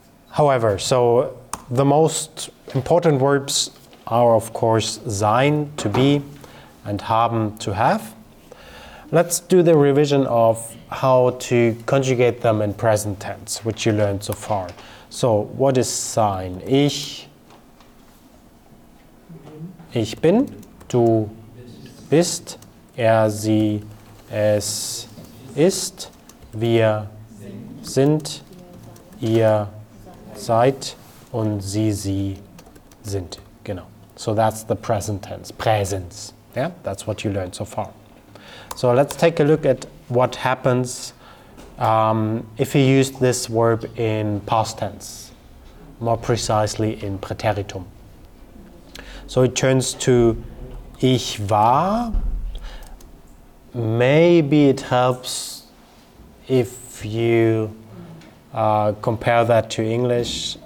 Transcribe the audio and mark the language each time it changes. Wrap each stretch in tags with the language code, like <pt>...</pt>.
<en>However, so the most important verbs are of course sein, to be, and haben, to have. Let's do the revision of how to conjugate them in present tense, which you learned so far. So what is sein?</en> <de>Ich bin, du bist, sie, es ist, wir sind, ihr seid, und sie sind.</de> <en>Genau. So that's the present tense, präsens. Yeah, that's what you learned so far. So let's take a look at what happens if you use this verb in past tense, more precisely in preteritum. So it turns to</en> <de>ich war.</de> <en>Maybe it helps if you compare that to English.</en>